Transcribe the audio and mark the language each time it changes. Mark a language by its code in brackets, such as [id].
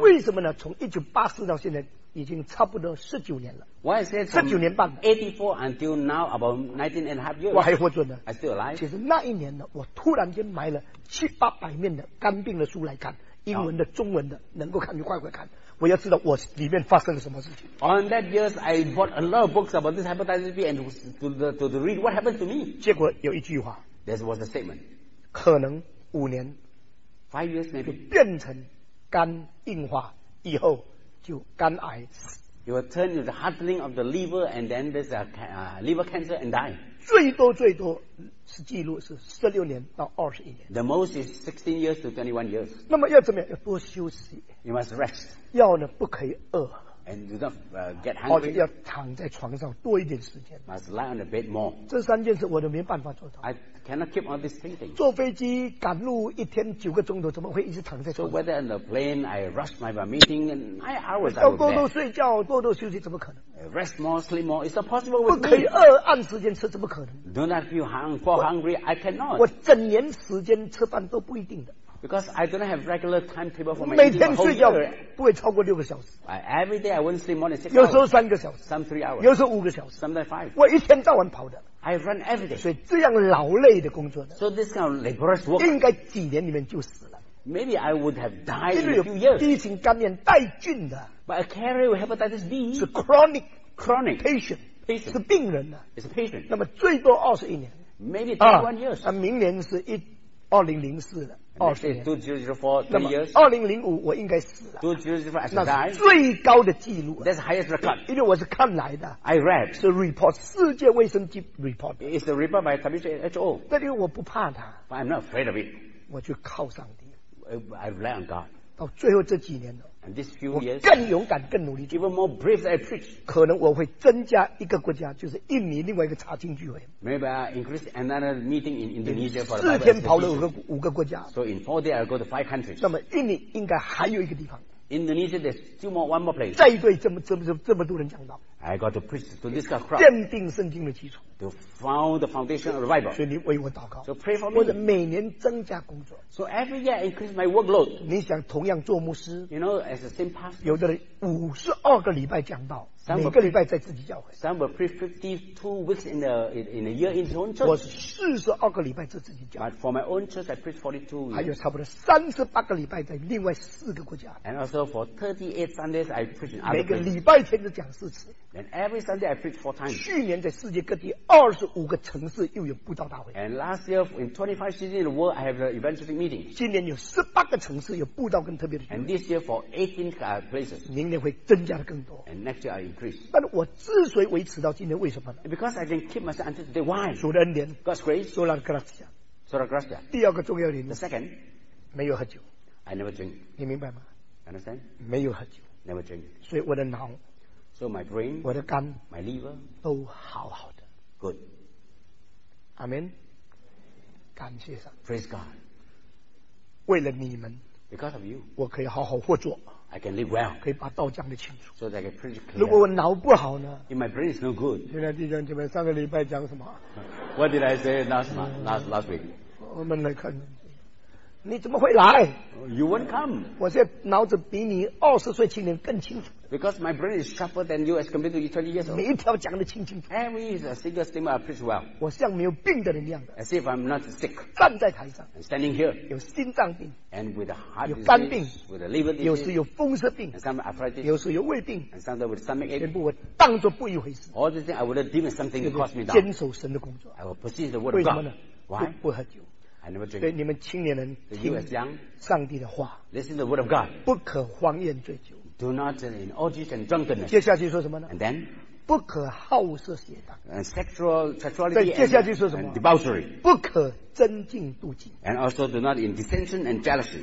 [zh] 为什么呢从1984到现在已经差不多十九年了。 [en] Why is it? [zh] 十九年半。 [en] 84 until now about 19 and a half years. [zh] 我还活着呢。 [en] I still alive. [zh] 其实那一年呢，我突然间买了七八百面的肝病的书来看，英文的、中文的，能够看就快快看。我要知道我里面发生了什么事情。 [en] On that years, I bought a lot of books about this hepatitis B and to read what happened to me. [zh] 结果有一句话。 [en] This was a statement. [zh] 可能五年 [en] ，five years maybe [zh] 变成肝硬化以后。就肝癌 [en] You will turn into the hardening of the liver and then there's a liver cancer and die [zh] 最多最多是记录是16年到21年 [en] The most is 16 years to 21 years [zh] 那么要怎么样要多休息 [en] You must rest [zh] 药呢不可以饿 [en] and do not get hungry. [zh] 或者要躺在床上多一点时间。 [en] Must lie on the bed more. [zh] 这三件事我都没办法做到。 [en] I cannot keep on this thinking. [zh] 坐飞机赶路一天九个钟头，怎么会一直躺在床上？ [en] So whether on the plane I rush my meeting and 9 hours. [zh] 要多多睡觉，多多休息，怎么可能？ [en] Rest more, sleep more. Is it possible with me? [zh] 不可以饿按时间吃，怎么可能？ [en] Do not feel hungry. Hungry, I cannot. [zh] 我整年时间吃饭都不一定的。 [en] Because I don't have regular timetable for my eating. [zh] 每天睡觉不会超过六个小时。 [en] Every day I won't sleep more than 6 hours. [zh] 有时候三个小时。 [en] Some 3 hours. [zh] 有时候五个小时。 [en] Sometimes 5. [zh] 我一天到晚跑的。 [en] I run every day. [zh] 所以这样劳累的工作的。 [en] So this kind of laborious work. [zh] 应该几年里面就死了。 [en] Maybe I would have died in a few years. [zh] 因为有 B 型肝炎带菌的。 [en] But I carry with hepatitis B. [zh] 是 chronic. [en] Chronic. Patient. Patient. [zh] 是病人的。 [en] It's a patient. [zh] 那么最多21年。 [en] Maybe 21 years. [zh] 那明年是2004的。2005我应该死了。 [en] 2004 I should die. [zh] 那最高的记录。 [en] That's highest record. [zh] 因为我是看来的。 [en] I read. [zh] 是 report 世界卫生局 report. [en] It's the report by WHO. [zh] 但是我不怕它。 [en] But I'm not afraid of it. [zh] 我就靠上帝。 [en] I rely on God. [zh] 到最后这几年了。 [en] And these few years. [zh] 我更勇敢，更努力。 [en] Even more brave than I preach. [zh] 可能我会增加一个国家，就是印尼另外一个查经聚会。 [en] Maybe I increase another meeting in Indonesia for the Bible. [zh] 4天跑了五个国家。 [en] So in 4 days I'll go to 5 countries. [zh] 那么印尼应该还有一个地方。 [en] Indonesia there's still more one more place. [zh] 再对这么多人讲道。 [en] I got to preach to this kind of crowd. [zh] 奠定圣经的基础。 [en] To found the foundation of the Bible. [zh] 所以你为我祷告。 [en] So pray for me. [zh] 或者每年增加工作。 [en] So every year I increase my workload. [zh] 你想同样做牧师。 [en] You know, as the same pastor. [zh] 有的人52个礼拜讲道。每个礼拜在自己教会。 [en] Some will preach 52 weeks in a year in their own church. [zh] 我是42个礼拜在自己教会。 [en] But for my own church, I preach 42 weeks. [zh] 还有差不多38个礼拜在另外4个国家。 [en] And also for 38 Sundays, I preach in other places. [zh] 每个礼拜天都讲4次。 [en] And every Sunday, I preach 4 times. [zh] 去年在世界各地25个城市又有布道大会。 [en] And last year, in 25 cities in the world, I have an evangelistic meeting. [zh] 今年有18个城市有布道跟特别的聚会。 [en] And this year, for 18 places. [zh] 明年会增加的更多。 [en] And next year, increase. [zh] 但我之所以维持到今天，为什么呢？ [en] Because I can keep myself until today. Why? [zh] 主的恩典。 [en] God's grace. [la] Sola gratia. Sola gratia. [zh] 第二个重要原因。 [en] The second. [zh] 没有喝酒。 [en] I never drink. [zh] 你明白吗？ [en] Understand? [zh] 没有喝酒。 [en] Never drink. [zh] 所以我的脑。 [en] So my brain. [zh] 我的肝。 [en] My liver. [zh] 都好好的。 [en] Good. [zh] Amen. 感谢上帝。 [en] Praise God. [zh] 为了你们。 [en] Because of you. [zh] 我可以好好活着。 [en] I can live well. [zh] 可以把道讲得清楚。 [en] So that I can preach clearly. [zh] 如果我脑不好呢？ [en] If my brain is no good. [zh] 现在弟兄姐妹，上个礼拜讲什么？ [en] What did I say last week? [zh] 我们来看，你怎么会来？ [en] You won't come. [zh] 我现在脑子比你20岁青年更清楚。 [en] Because my brain is sharper than you as compared to you 20 years old. [zh] 每一条讲得清清楚。 [en] Every single statement I preach well. [zh] 我像没有病的人一样的。 [en] As if I'm not sick. [zh] 站在台上。 [en] And standing here. [zh] 有心脏病。 [en] And with a heart. [zh] 有肝病。 [en] With a liver disease. [zh] 有时有风湿病。 [en] And some arthritis. [zh] 有时有胃病。 [en] And some with stomach ache. [zh] 全部我当作不一回事。 [en] All these things I would have deemed something to cause me down. [zh] 坚守神的工作。 [en] I will persist the word of God. [zh] 为什么呢？ [en] Why? [zh] 不喝酒。 [en] I never drink. [zh] 所以你们青年人听上帝的话。 [en] Listen to the word of God. [zh] 不可荒宴醉酒。 [en] Do not in orgies and drunkenness. [zh] 接下去说什么呢？ [en] And then, [zh] 不可好色邪荡。 [en] And sexuality. [zh] 再接下去说什么？ [en] And debauchery. [zh] 不可增进妒忌。 [en] And also do not in dissension and jealousy.